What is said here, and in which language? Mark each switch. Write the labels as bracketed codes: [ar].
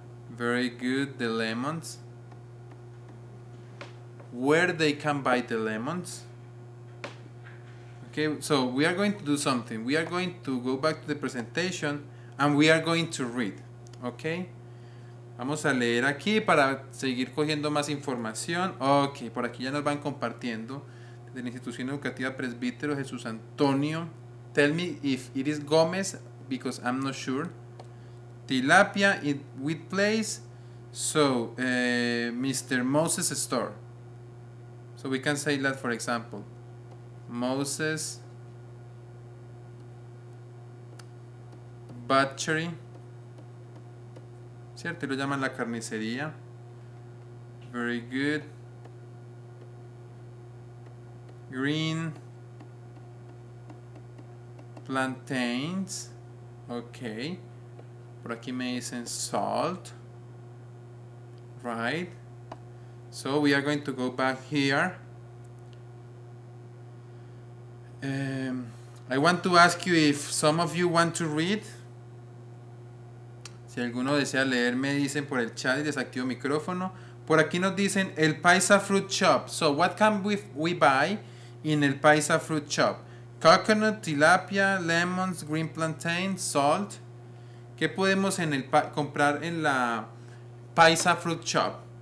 [en] Very good, the lemons. Where they can buy the lemons? Okay, so we are going to do something. We are going to go back to the presentation and we are going to read. Okay? [es] Vamos a leer aquí para seguir cogiendo más información. Ok, por aquí ya nos van compartiendo. De la Institución Educativa Presbítero Jesús Antonio. [en] Tell me if it is Gómez, because I'm not sure. Tilapia in with place. So, Mr. Moses Store. So we can say that, for example. Moses Butchery. [es] ¿Cierto? Lo llaman la carnicería. [en] Very good. Green plantains. Okay. [es] Por aquí me dicen salt. [en] Right. So we are going to go back here. I want to ask you if some of you want to read. [es] Si alguno desea leer, me dicen por el chat y desactivo micrófono. Por aquí nos dicen el Paisa Fruit Shop. [en] So what can we buy in el Paisa Fruit Shop? Coconut, tilapia, lemons, green plantain, salt. [es] ¿Qué podemos en el comprar en la Paisa Fruit Shop?